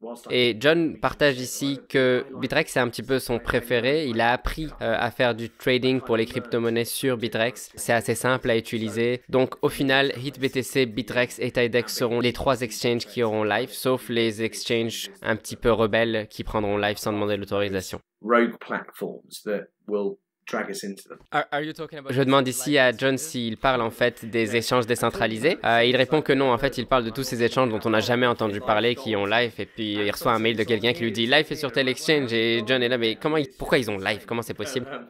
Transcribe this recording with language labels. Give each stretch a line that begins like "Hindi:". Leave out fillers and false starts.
French: Et John partage ici que Bittrex est un petit peu son préféré. Il a appris à faire du trading pour les crypto-monnaies sur Bittrex. C'est assez simple à utiliser. Donc au final, HitBTC, Bittrex et Tidex seront les trois exchanges qui auront Life, sauf les exchanges un petit peu rebelles qui prendront Life sans demander l'autorisation.
English: Rogue platforms that will drag us into them.
French: Je demande ici à John s'il parle en fait des échanges décentralisés. Il répond que non, en fait il parle de tous ces échanges dont on n'a jamais entendu parler qui ont Life et puis il reçoit un mail de quelqu'un qui lui dit Life est sur tel exchange et John est là mais pourquoi ils ont Life, comment c'est possible?